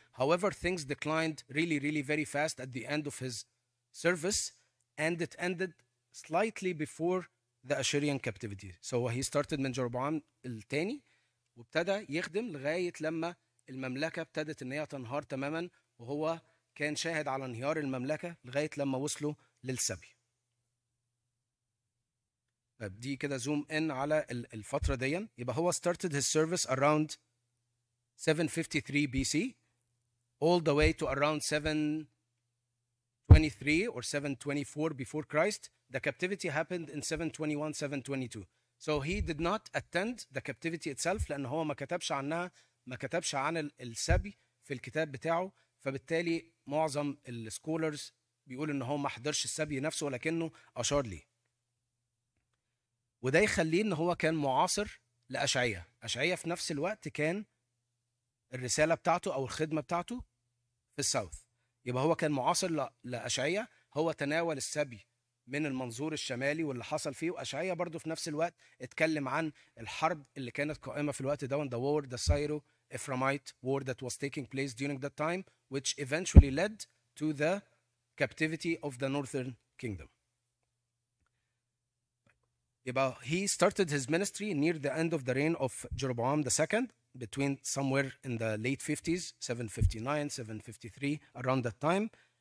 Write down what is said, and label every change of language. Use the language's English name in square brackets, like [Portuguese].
[English] However, things declined really, really very fast at the end of his service, and it ended slightly before the Assyrian captivity. So he started [Arabic] من جربعان الثاني وابتدى يخدم لغاية لما المملكة ابتدت ان هي تنهار تماما وهو كان شاهد على انهيار المملكة لغاية لما وصلوا للسبي. طيب دي كده زوم ان على الفترة دي. يبقى هو [English] started his service around 753 BC all the way to around 723 or 724 before Christ. The captivity happened in 721-722. So he did not attend the captivity itself [Arabic] لأن هو ما كتبش عنها, ما كتبش عن السبي في الكتاب بتاعه. فبالتالي معظم السكولرز بيقول إن هو ما حضرش السبي نفسه ولكنه أشار ليه. وده يخليه إن هو كان معاصر لأشعية. أشعية في نفس الوقت كان الرسالة بتاعته أو الخدمة بتاعته في الساوث. يبقى هو كان معاصر لأشعية. هو تناول السبي من المنظور الشمالي واللي حصل فيه. وأشعية برضو في نفس الوقت اتكلم عن الحرب اللي كانت قائمة في الوقت ده. [English] The war, the Syro-Ephraimite war that was taking place during that time, which eventually led to the captivity of the northern kingdom. [Arabic] يبقى [English] he started his ministry near the end of the reign of Jeroboam II, between somewhere in the late 50s, 759, 753, around that time.